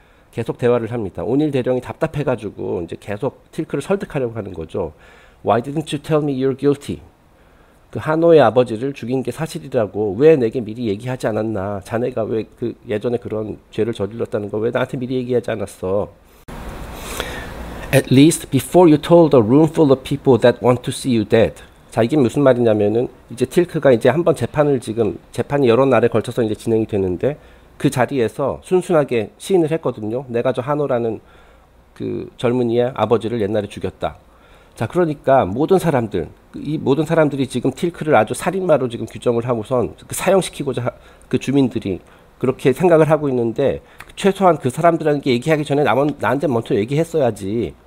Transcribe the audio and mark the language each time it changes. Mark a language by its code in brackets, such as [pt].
[ko] 계속 대화를 합니다. 오닐 대령이 답답해가지고 이제 계속 틸크를 설득하려고 하는 거죠. [en] Why didn't you tell me you're guilty? [ko] 그 하노의 아버지를 죽인 게 사실이라고 왜 내게 미리 얘기하지 않았나? 자네가 왜그 예전에 그런 죄를 저질렀다는 거왜 나한테 미리 얘기하지 않았어? [en] At least before you told a room full of people that want to see you dead. [ko] 자, 이게 무슨 말이냐면은 이제 틸크가 이제 한번 재판을 지금 재판이 여러 날에 걸쳐서 이제 진행이 되는데 그 자리에서 순순하게 시인을 했거든요. 내가 저 하노라는 그 젊은이의 아버지를 옛날에 죽였다. 자, 그러니까 모든 사람들이 지금 틸크를 아주 살인마로 지금 규정을 하고선 그 사형시키고자 그 주민들이 그렇게 생각을 하고 있는데 최소한 그 사람들한테 얘기하기 전에 나한테 먼저 얘기했어야지.